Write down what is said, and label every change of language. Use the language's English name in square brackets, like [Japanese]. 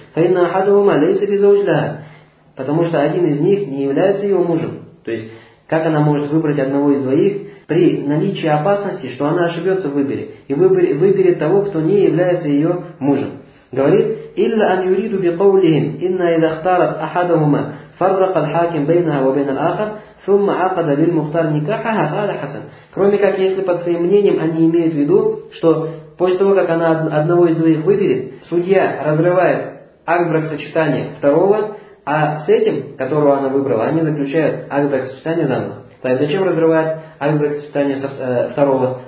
[Arabic] «Фаинна ахадахума лейса бизаудждаха», [Russian] потому что один из них не является его мужем. То есть, как она может выбрать одного из двоих при наличии опасности, что она ошибется в выборе, и выберет того, кто не является ее мужем. Говорит, [Arabic] «Илла ан юриду бикаулихим, инна идахтарат ахадахума». فرق الحاكم بينها وبين الآخر ثم عقد للمختار نكاحها هذا حسن. [Russian] Кроме как, если под своим мнением они имеют в виду, что после того, как она одного из двоих выберет, судья разрывает акт бракосочетания второго, а с этим, которого она выбрала, они заключают акт бракосочетания заново. То есть зачем разрывает акт бракосочетания второго?